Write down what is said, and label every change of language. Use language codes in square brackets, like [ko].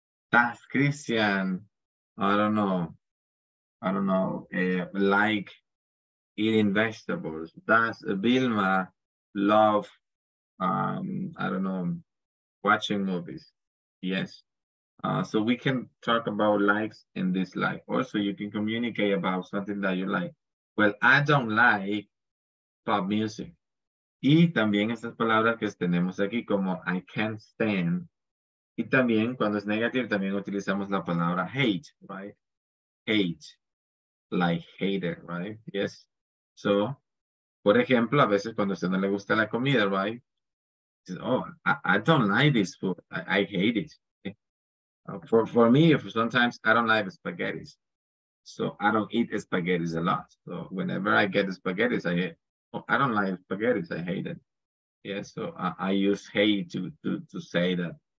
[en] Does Christian, like eating vegetables? Does Vilma love, watching movies? Yes. So we can talk about likes and dislikes. Also, you can communicate about something that you like. Well, I don't like pop music. [es] Y también estas palabras que tenemos aquí como [en] I can't stand. [es] Y también, cuando es negativo, también utilizamos la palabra hate, right? [en] Hate, like hater, right? Yes. [es] So, por ejemplo, a veces cuando a usted no le gusta la comida, right? [en] Says, oh, I don't like this food. I hate it. For me, for sometimes, I don't like spaghetti. So, I don't eat spaghetti a lot. So, whenever I get spaghetti, I don't like spaghetti. I hate it. Yes. So, I use hate to say that.